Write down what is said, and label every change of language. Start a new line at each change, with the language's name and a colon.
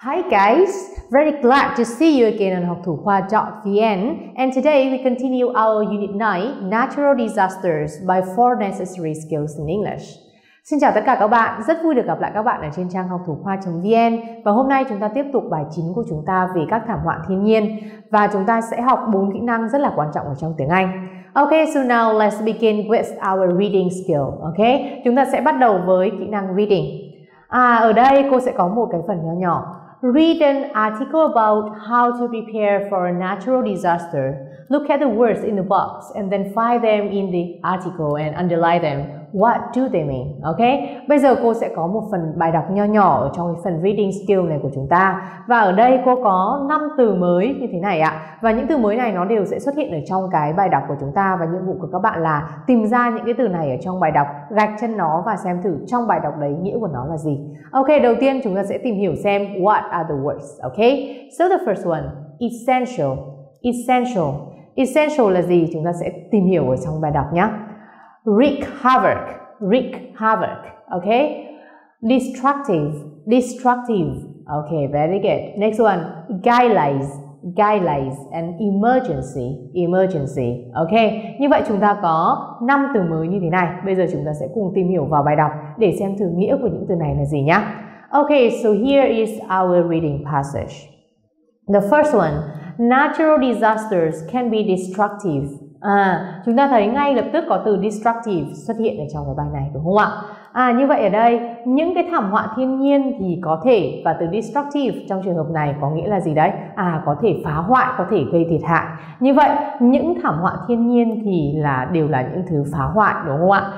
English: guys, very glad to see you again on hoctuhoa.vn. And today we continue our unit 9, Natural Disasters by 4 Necessary Skills in English.
Vietnamese: Xin chào tất cả các bạn, rất vui được gặp lại các bạn ở trên trang hoctuhoa.vn. Và hôm nay chúng ta tiếp tục bài 9 của chúng ta về các thảm họa thiên nhiên. Và chúng ta sẽ học 4 kỹ năng rất là quan trọng ở trong tiếng Anh.
English: Okay, so now let's begin with our reading skill.
Vietnamese: Okay, chúng ta sẽ bắt đầu với kỹ năng reading. Ở đây cô sẽ có một cái phần nhỏ nhỏ.
English: Read an article about how to prepare for a natural disaster. Look at the words in the box and then find them in the article and underline them. What do they mean?
Vietnamese: Okay, bây giờ cô sẽ có một phần bài đọc nhỏ nhỏ ở trong phần reading skill này của chúng ta. Và ở đây cô có 5 từ mới như thế này ạ. Và những từ mới này nó đều sẽ xuất hiện ở trong cái bài đọc của chúng ta. Và nhiệm vụ của các bạn là tìm ra những cái từ này ở trong bài đọc, gạch chân nó và xem thử trong bài đọc đấy nghĩa của nó là gì.
English: Okay,
Vietnamese: đầu tiên chúng ta sẽ tìm hiểu xem
English: what are the words. Okay, so the first one, essential. Essential. Essential
Vietnamese: là gì? Chúng ta sẽ tìm hiểu ở trong bài đọc nhé.
English: Wreak havoc, wreak havoc, okay? Destructive, destructive, okay, very good. Next one, guidelines, guidelines, and emergency, emergency, okay?
Vietnamese: Như vậy chúng ta có 5 từ mới như thế này. Bây giờ chúng ta sẽ cùng tìm hiểu vào bài đọc để xem thử nghĩa của những từ này là gì nhé.
English: Okay, so here is our reading passage. The first one, natural disasters can be destructive.
Vietnamese: Chúng ta thấy ngay lập tức có từ destructive xuất hiện ở trong cái bài này đúng không ạ? Như vậy ở đây, những cái thảm họa thiên nhiên thì có thể, và từ destructive trong trường hợp này có nghĩa là gì đấy? Có thể phá hoại, có thể gây thiệt hại. Như vậy, những thảm họa thiên nhiên thì là đều là những thứ phá hoại đúng không ạ?